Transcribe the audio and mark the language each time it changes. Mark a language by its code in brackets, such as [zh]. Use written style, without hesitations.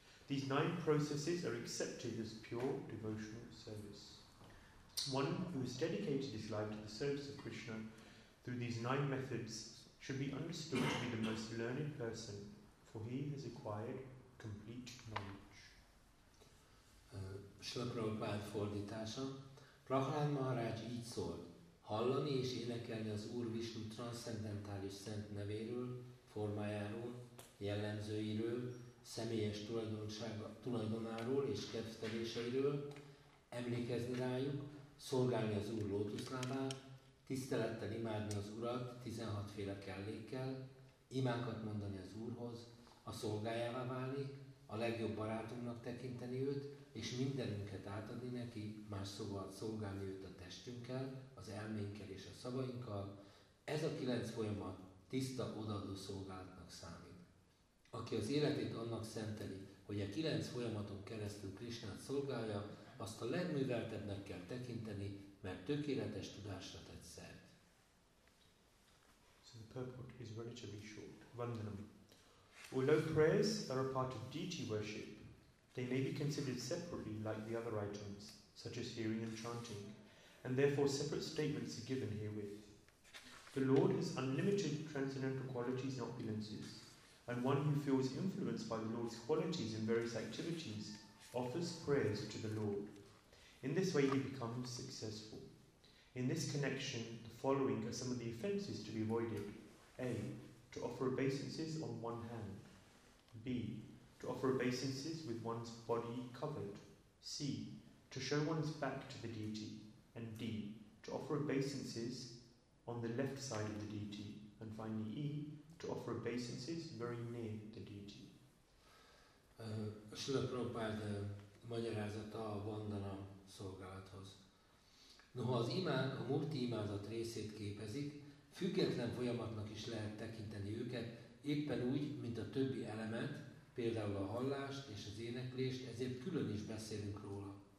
[en] These 9 processes are accepted as pure devotional service. One who has dedicated his life to the service of Krishna through these 9 methods should be understood to be the most learned person, for he has acquired complete knowledge. [hu] Srila Prabhupada fordítása. Prahlada Maharaj így szólt, hallani és énekelni az Úr Vishnu transzcendentális szent nevéről, formájáról, jellemzőiről, személyes tulajdonáról és kedvteléseiről, emlékezni rájuk, szolgálni az Úr lótuszlábát, tisztelettel imádni az Urat 16 féle kellékkel, imákat mondani az Úrhoz, a szolgájává válni, a legjobb barátunknak tekinteni őt, és mindenünket átadni neki, más szóval szolgálni őt a testünkkel, az elménkkel és a szavainkkal, ez a 9 folyamat tiszta odaadó szolgálatnak számít. Aki az életét annak szenteli, hogy a 9 folyamaton keresztül Krisnát szolgálja, azt a legműveltebbnek kell tekinteni, mert tökéletes tudásra tett szert. [en] So the purport is relatively short. Vandanam. Although prayers are a part of deity worship, they may be considered separately like the other items, such as hearing and chanting, and therefore separate statements are given herewith. The Lord has unlimited transcendental qualities and opulences, and one who feels influenced by the Lord's qualities in various activities offers prayers to the Lord. In this way he becomes successful. In this connection, the following are some of the offences to be avoided. A. To offer obeisances on one hand. B. To offer obeisances with one's body covered. C. To show one's back to the deity. And D. To offer obeisances on the left side of the deity. And finally E. To offer obeisances very near the deity. [hu] Srila Prabhupada magyarázata a Vandana szolgálathoz. Noha az imán a murti imázat részét képezik, független folyamatnak is lehet tekinteni őket, éppen úgy, mint a többi elemet, például a hallást és az éneklést, ezért külön is beszélünk róla.